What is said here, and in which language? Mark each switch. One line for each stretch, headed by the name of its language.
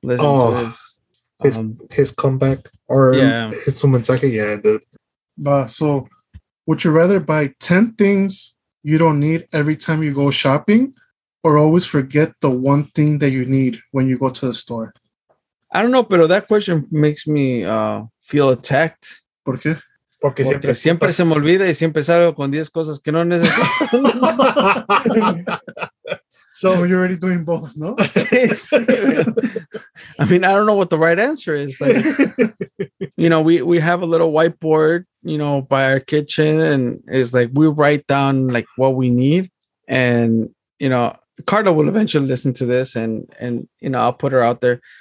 English: Listen to his comeback or his mensaje. Yeah, dude. But so, would you rather buy 10 things you don't need every time you go shopping or always forget the one thing that you need when you go to the store? I don't know, pero that question makes me feel attacked.
Spanish: ¿Por qué? Porque siempre se me olvida y siempre salgo con 10 cosas que no necesito.
English: So you're already doing both, no? I mean, I don't know what the right answer is. Like, you know, we have a little whiteboard, you know, by our kitchen, and it's like we write down like what we need. And, you know, Carla will eventually listen to this and you know, I'll put her out there.